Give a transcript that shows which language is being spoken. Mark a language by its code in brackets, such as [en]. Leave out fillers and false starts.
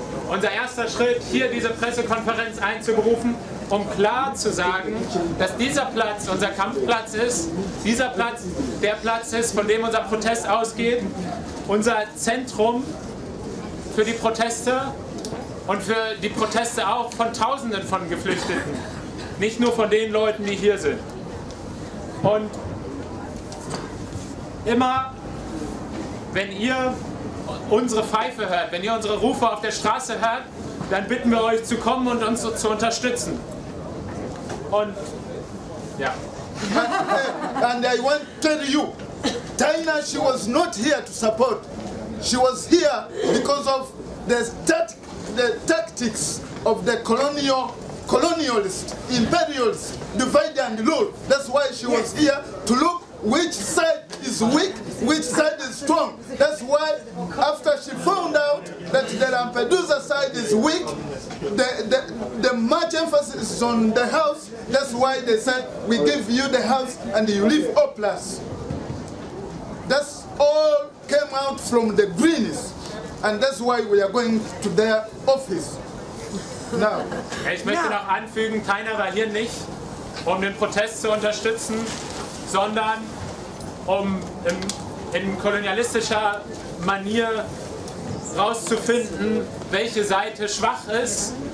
[de] Unser erster Schritt, hier diese Pressekonferenz einzuberufen, um klar zu sagen, dass dieser Platz unser Kampfplatz ist, dieser Platz der Platz ist, von dem unser Protest ausgeht, unser Zentrum für die Proteste und für die Proteste auch von Tausenden von Geflüchteten, nicht nur von den Leuten, die hier sind. Und immer, wenn ihr unsere Pfeife hört, wenn ihr unsere Rufe auf der Straße hört, dann bitten wir euch zu kommen und uns zu unterstützen. Und ja. [en] And I want to tell you, Taina, she was not here to support. She was here because of the tactics of the colonialists, imperialists, divide and rule. That's why she was here, to look which side is weak, which side is strong. That's why after she found out that the Lampedusa side is weak, the much emphasis is on the house. That's why they said, we give you the house and you leave Oplas. That's all came out from the Greens. And that's why we are going to their office. Now. [de] Ich möchte noch anfügen, Taina war hier nicht, um den Protest zu unterstützen, sondern um in kolonialistischer Manier rauszufinden, welche Seite schwach ist.